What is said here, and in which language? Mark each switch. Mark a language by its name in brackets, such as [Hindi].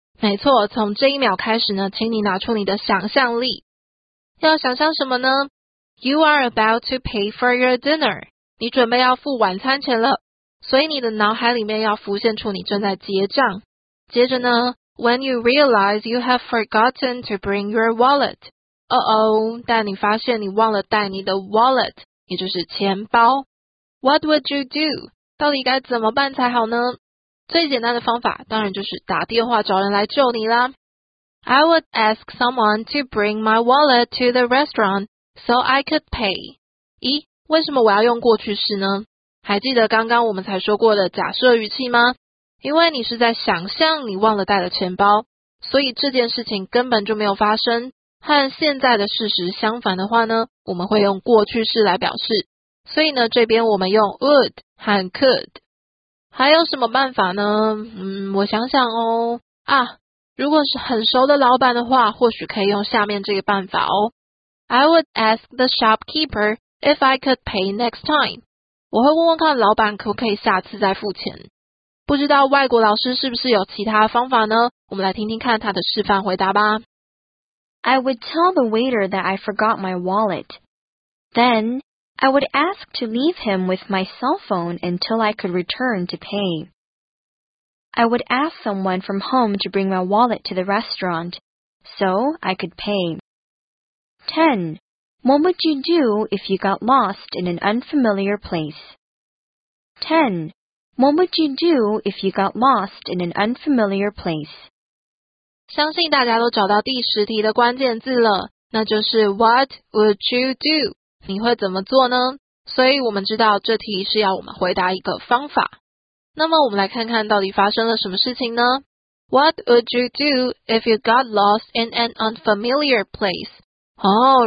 [Chinese] 没错，从这一秒开始呢，请你拿出你的想象力。要想象什么呢？ [English] You are about to pay for your dinner. [Chinese] 你准备要付晚餐钱了。所以你的脑海里面要浮现出你正在结账。接着呢， [English] When you realize you have forgotten to bring your wallet. [Chinese] 但你发现你忘了带你的 wallet, 也就是钱包。 [English] What would you do? [Chinese] 到底该怎么办才好呢？最简单的方法当然就是打电话找人来救你啦。 [English] I would ask someone to bring my wallet to the restaurant so I could pay. [Chinese] 咦，为什么我要用过去式呢？还记得刚刚我们才说过的假设语气吗？因为你是在想象你忘了带了钱包，所以这件事情根本就没有发生。和现在的事实相反的话呢，我们会用过去式来表示。所以呢，这边我们用 would 和 could。还有什么办法呢？我想想哦。如果是很熟的老板的话，或许可以用下面这个办法哦。 [English] I would ask the shopkeeper if I could pay next time. [Chinese] 我会问问看老板可不可以下次再付钱。不知道外国老师是不是有其他方法呢？我们来听听看他的示范回答吧。 [English] I would tell the waiter that I forgot my wallet. Then,I would ask to leave him with my cell phone until I could return to pay. I would ask someone from home to bring my wallet to the restaurant, so I could pay. 10. What would you do if you got lost in an unfamiliar place? 10. What would you do if you got lost in an unfamiliar place? [Chinese] 相信大家都找到第十题的关键字了，那就是 [English] What would you do? [Chinese] 你会怎么做呢？所以我们知道这题是要我们回答一个方法。那么我们来看看到底发生了什么事情呢？ [English] What would you do if you got lost in an unfamiliar place?